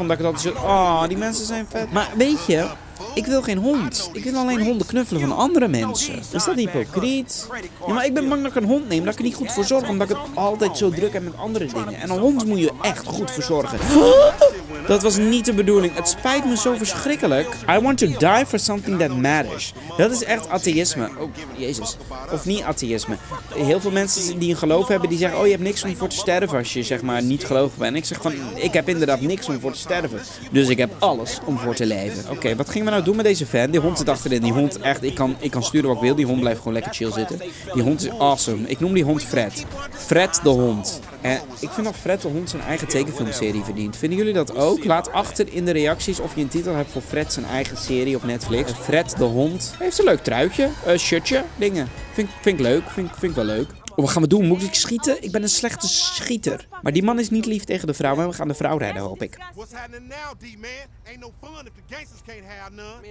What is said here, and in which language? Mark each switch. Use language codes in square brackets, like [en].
[nl] Omdat ik dat zo... Oh, die mensen zijn vet. Maar weet je... Ik wil geen hond. Ik wil alleen honden knuffelen van andere mensen. Is dat hypocriet? Ja, maar ik ben bang dat ik een hond neem. Dat ik er niet goed voor zorg. Omdat ik het altijd zo druk heb met andere dingen. En een hond moet je echt goed verzorgen. Dat was niet de bedoeling. Het spijt me zo verschrikkelijk. [en] I want to die for something that matters. [nl] Dat is echt atheïsme. Oh, Jezus. Of niet atheïsme. Heel veel mensen die een geloof hebben, die zeggen... Oh, je hebt niks om voor te sterven als je, zeg maar, niet gelovig bent. Ik zeg van, ik heb inderdaad niks om voor te sterven. Dus ik heb alles om voor te leven. Oké, wat ging we nou doen met deze van? Die hond zit achterin. Die hond, echt, ik kan sturen wat ik wil. Die hond blijft gewoon lekker chill zitten. Die hond is awesome. Ik noem die hond Fred. Fred de hond. En ik vind dat Fred de hond zijn eigen tekenfilmserie verdient. Vinden jullie dat ook? Laat achter in de reacties of je een titel hebt voor Fred zijn eigen serie op Netflix. Fred de hond. Hij heeft een leuk truitje. Shirtje. Dingen. Vind ik leuk. Vind ik wel leuk. Oh, wat gaan we doen? Moet ik schieten? Ik ben een slechte schieter. Maar die man is niet lief tegen de vrouw. En we gaan de vrouw redden, hoop ik. [en] What's happening now, D-man? Ain't no fun if the gangsters can't have none.